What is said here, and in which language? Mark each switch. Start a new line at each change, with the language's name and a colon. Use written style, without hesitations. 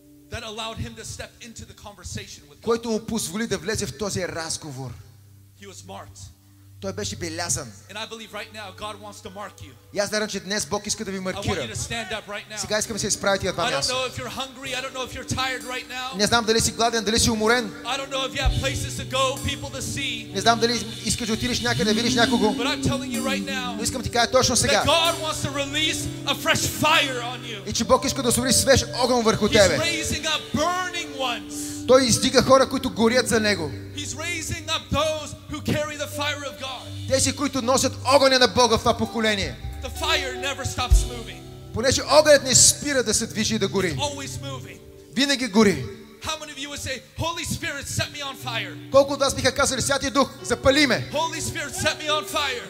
English: That allowed him to step into the conversation with God.
Bulgarian: Който му позволи да влезе в този разговор.
English: He was marked.
Bulgarian: Той беше белязан.
English: And I believe right now God wants to mark you.
Bulgarian: И аз вярвам, че днес Бог иска да ви маркира.
English: I want you to stand up right now.
Bulgarian: Сега искам да се изправите от това място.
English: I don't know if you're hungry, I don't know if you're tired right now.
Bulgarian: Не знам дали си гладен, дали си уморен.
English: I don't know if you have places to go, people to see.
Bulgarian: Не знам дали искаш да отидеш някъде да видиш някого.
English: But I'm telling you right now.
Bulgarian: Но искам да ти кажа точно сега.
English: That God wants to release a fresh fire on you.
Bulgarian: И че Бог иска да освободи свеж огън върху тебе.
English: He's raising up burning ones.
Bulgarian: Той издига хора, които горят за него.
English: He's raising up those who carry the fire of God.
Bulgarian: Тези, които носят огъня на Бога в това поколение.
English: The fire never stops moving.
Bulgarian: Понеже огънят не спира да се движи и да гори.
English: It's always moving.
Bulgarian: Винаги гори.
English: How many of you would say, Holy Spirit, set me on fire?
Bulgarian: Колко от вас биха казали, Святия Дух, запали ме.
English: Holy Spirit, set me on fire.